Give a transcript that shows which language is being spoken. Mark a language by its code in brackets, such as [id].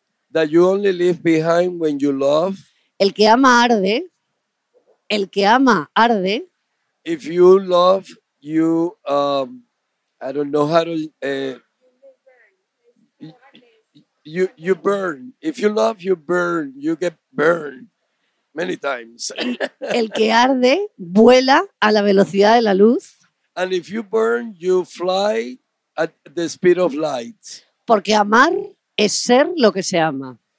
[en] That you only leave behind when you love. [es] El que ama arde. El que ama arde. [en] If you love, you, I don't know how to, you burn. If you love, you burn. You get burned many times. [es] El que arde vuela a la velocidad de la luz. [en] And if you burn, you fly at the speed of light. [es] Porque amar es ser lo que se ama.